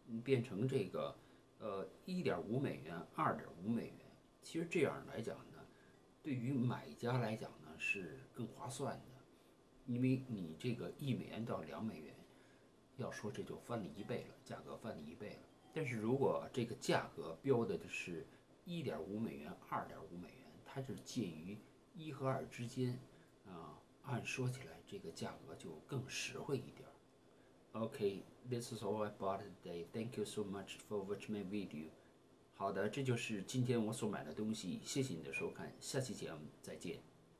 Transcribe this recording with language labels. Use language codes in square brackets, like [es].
[zh] 变成这个，1.5美元、2.5美元，其实这样来讲呢，对于买家来讲呢是更划算的，因为你这个1美元到2美元，要说这就翻了一倍了，价格翻了一倍了。但是如果这个价格标的是1.5美元、2.5美元，它就介于一和二之间，按说起来这个价格就更实惠一点。 [en] Okay, this is all I bought today. Thank you so much for watching my video. [zh] 好的，这就是今天我所买的东西。谢谢你的收看，下期节目再见。